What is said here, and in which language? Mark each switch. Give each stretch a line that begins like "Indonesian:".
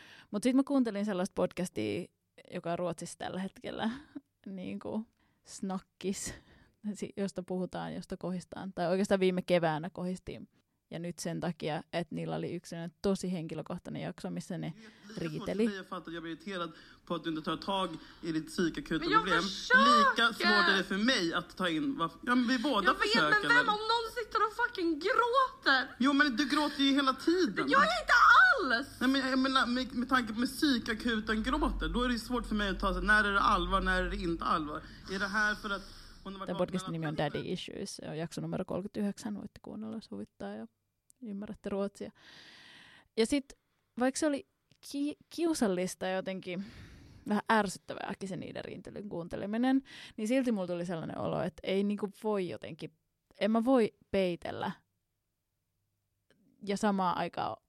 Finnish: Mutta sitten mä kuuntelin sellaista podcastia, joka on Ruotsissa tällä hetkellä, niin kuin Snakkis, josta puhutaan, josta kohistaan. Tai oikeastaan viime keväänä kohistiin. Ja nyt sen takia, että niillä oli yksi tosi henkilökohtainen jakso, missä ne riiteli.
Swedish: Jag fattar att jag blir irriterad på att du inte tar tag i ditt psykakuta problem. Lika svårt är det för mig att ta in. Ja, men vi båda försöker. Jag vet, men vem om någon sitter och fucking gråter? Jo, men du gråter ju hela tiden. Jag är inte alls! Nej, men jag menar, med tanke på psykakuten gråter, då är det svårt för mig att ta sig. När är det allvar, när är det inte allvar? Är det här för att...
Finnish: Tämä podcastin nimi on Daddy Issues. Se on jakso numero 39. Voitte kuunnella, suvittaa ja ymmärrätte ruotsia. Ja sitten, vaikka se oli kiusallista ja jotenkin vähän ärsyttävääkin se niiden riintelyn kuunteleminen, niin silti mulla tuli sellainen olo, että ei niinku voi jotenkin, en mä voi peitellä ja samaan aikaan